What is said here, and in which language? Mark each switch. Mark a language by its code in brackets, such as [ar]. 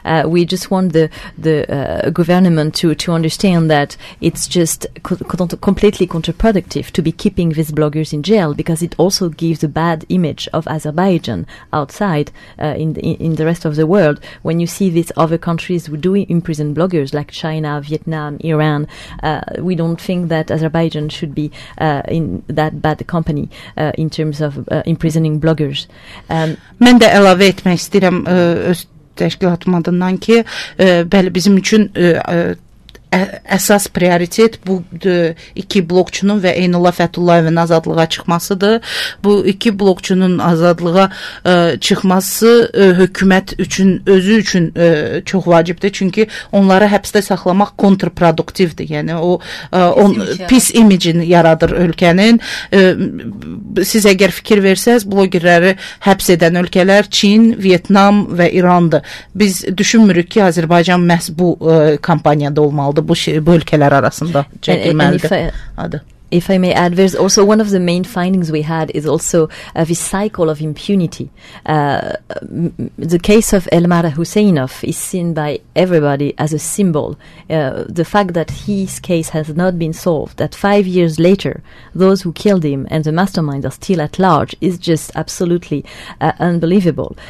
[en] We just want the government to understand that it's just completely counterproductive to be keeping these bloggers in jail, because it also gives a bad image of Azerbaijan outside in the rest of the world. When you see this, other countries who do imprison bloggers like China, Vietnam, Iran, we don't think that Azerbaijan should be in that bad company in terms of imprisoning bloggers. [az] Mən də əlavə etmək istəyirəm öz təşkilatım adından ki, bəli, bizim üçün əsas prioritet bu iki blokçunun və Eynullah Fətullayevin azadlığa çıxmasıdır. Bu iki blokçunun azadlığa çıxması hökumət üçün, özü üçün çox vacibdir. Çünki onları həbsdə saxlamaq kontrproduktivdir. Yəni, o pis imicini yaradır ölkənin. Siz əgər fikir versəz, blogerləri həbs edən ölkələr Çin, Vietnam və İrandır. Biz düşünmürük ki, Azərbaycan məhz bu kampaniyada olmalıdır. Bu ölkələr arasında çəkilməlidir. [en] If I may add, there's also one of the main findings we had is also this cycle of impunity. The case of Elmar Huseynov is seen by everybody as a symbol. The fact that his case has not been solved, that 5 years later, those who killed him and the mastermind are still at large, is just absolutely unbelievable.